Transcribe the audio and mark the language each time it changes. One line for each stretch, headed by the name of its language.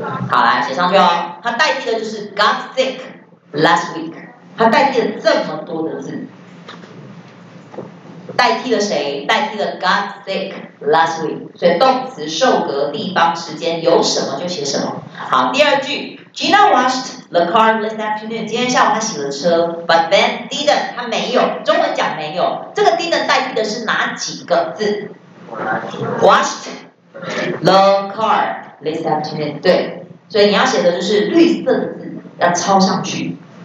Chinese: 好来写上去哦，他代替的就是
English: got sick last week。
Chinese: 它代替了这么多的字，代替了谁？代替了
English: got sick last week。
Chinese: 所以动词受格地方时间有什么就写什么。好，第二句
English: ，Gina washed the car this afternoon。
Chinese: 今天下午她洗了车 ，
English: but then didn't，
Chinese: 她没有。中文讲没有，这个 didn't 代替的是哪几个字 ？
English: Washed the car this afternoon。
Chinese: 对，所以你要写的就是绿色的字，要抄上去。